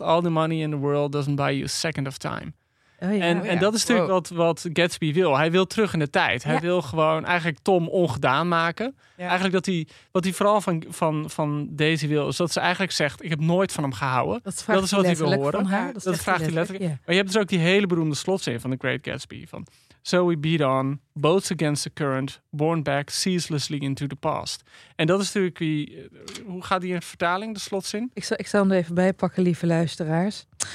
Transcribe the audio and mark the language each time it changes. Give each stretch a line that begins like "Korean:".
English: All the money in the world doesn't buy you a second of time.
Dutch: En dat is natuurlijk wat Gatsby wil. Hij wil terug in de tijd. Hij wil gewoon eigenlijk Tom ongedaan maken. Ja. Eigenlijk wat hij vooral van Daisy wil... is dat ze eigenlijk zegt... ik heb nooit van hem gehouden. Dat is wat hij wil horen. Dat vraagt hij letterlijk. Yeah. Maar je hebt dus ook die hele beroemde slotzin van The Great Gatsby. Van...
English: So we beat on, boats against the current, borne back ceaselessly into the past.
Dutch: En dat is natuurlijk wie... Hoe gaat die in vertaling, de slotzin? Ik zal hem er even bij pakken, lieve luisteraars.